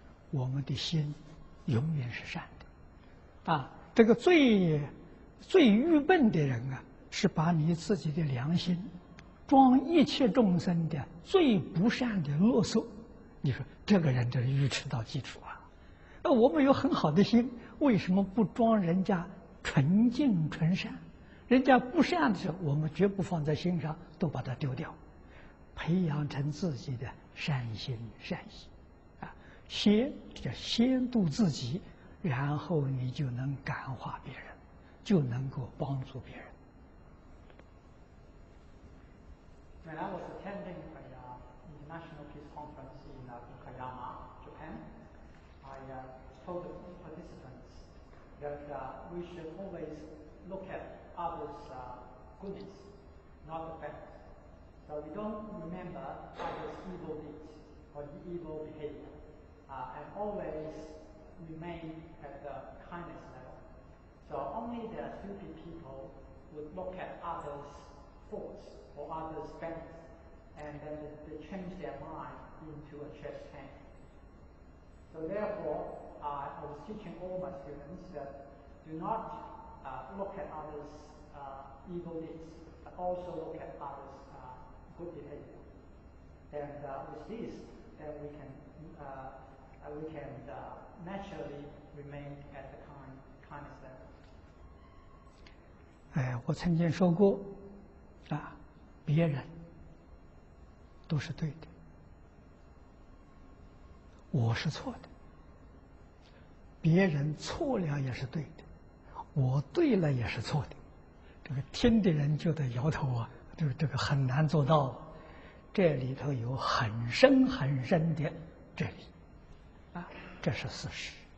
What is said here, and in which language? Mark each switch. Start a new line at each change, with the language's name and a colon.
Chinese: 我们的心永远是善的，啊，这个最愚笨的人啊，是把你自己的良心装一切众生的最不善的恶俗，你说这个人这是愚痴到基础啊，那我们有很好的心，为什么不装人家纯净纯善，人家不善的时候我们绝不放在心上，都把它丢掉，培养成自己的善心善意，啊，先度自己，然后你就能感化别人，就能够帮助别人。
English: When I was attending the International Peace Conference in Fukuyama, Japan, I told the participants that we should always look at others' goodness, not the bad. So we don't remember others' evil deeds or the evil behavior, and always remain at the kindness level. So only the stupid people would look at others' faults or others' bends, and then they change their mind into a chess hand. So therefore, I was teaching all my students that do not look at others' evil deeds, but also look at others'good behavior. And with this, then we can naturally remain at the kindness level.
Chinese: 我曾经说过，啊，别人都是对的，我是错的，别人错了也是对的，我对了也是错的，这个听的人就得摇头啊，这个很难做到，这里头有很深很深的哲理，啊，这是事实。